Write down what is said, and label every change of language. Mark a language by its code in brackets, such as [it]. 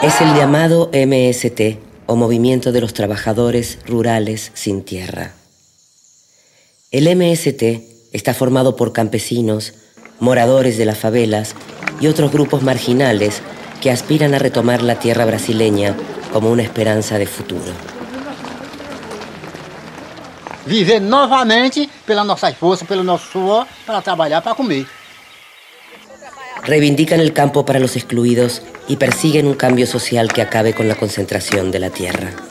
[es] Es el llamado MST, o Movimiento de los Trabajadores Rurales Sin Tierra. El MST está formado por campesinos, moradores de las favelas y otros grupos marginales que aspiran a retomar la tierra brasileña como una esperanza de futuro. [pt] Viver novamente pela nossa força, pelo nosso suor, para trabalhar, para comer. [es] Reivindican el campo para los excluidos y persiguen un cambio social que acabe con la concentración de la tierra.